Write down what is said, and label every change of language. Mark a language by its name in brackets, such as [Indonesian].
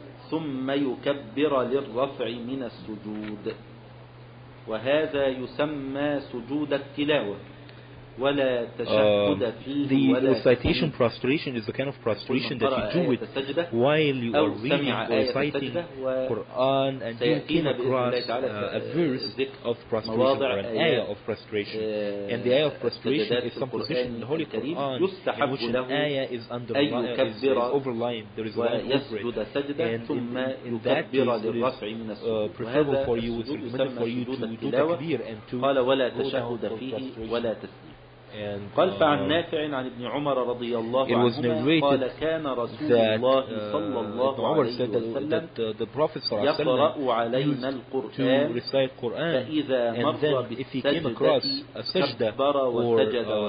[Arabic] ثم يكبر للرفع من السجود، وهذا يسمى سجود التلاوة ولا تشهد فيه. [English] The recitation prostration is the kind of prostration that you do it while you are reading or reciting Quran, and you came across a verse of prostration or an ayah of prostration. And the ayah of prostration is some position in the Holy Quran in which an ayah is underlying, is overlying, there is a line over it. And in that case, it is preferable for you, it's recommended for you to do takbir and to go down for prostration. [Arabic] And قال فعن نافع عن ابن عمر رضي الله عنه قال كان رسول الله صلى الله عليه وسلم يقرأ علينا القرآن فإذا مر بالسجدة كبر وسجد